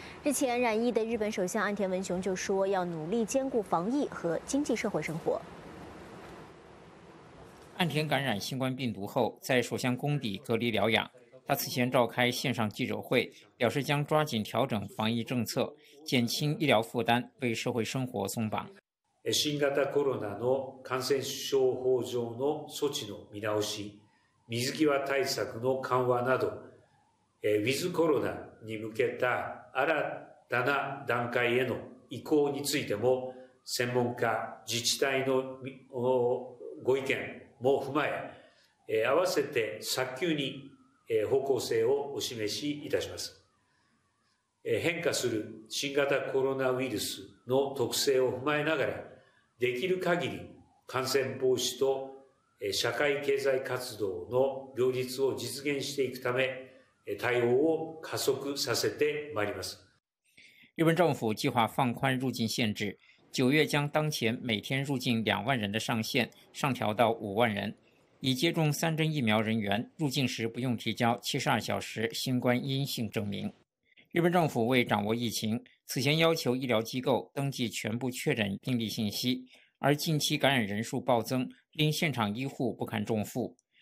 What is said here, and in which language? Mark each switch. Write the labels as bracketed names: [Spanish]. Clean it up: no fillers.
[Chinese] 日前染疫的日本首相岸田文雄就说要努力兼顾防疫和经济社会生活。岸田感染新冠病毒后在首相宫邸隔离疗养，他此前召开线上记者会表示将抓紧调整防疫政策，减轻医疗负担，为社会生活松绑。 [Japanese] 新型コロナの感染症法上の措置の見直し、水際対策の緩和など、ウィズコロナに向けた新たな段階への移行についても、専門家、自治体のご意見も踏まえ、合わせて早急に方向性をお示しいたします。変化する新型コロナウイルスの特性を踏まえながら、できる限り感染防止と社会経済活動の両立を実現していくため、対応を加速させてまいります。 [Chinese] 日本政府计划放宽入境限制，9月将当前每天入境20000人的上限上调到50000人。已接种3针疫苗人员入境时不用提交72小时新冠阴性证明。日本政府为掌握疫情，此前要求医疗机构登记全部确诊病例信息，而近期感染人数暴增，令现场医护不堪重负。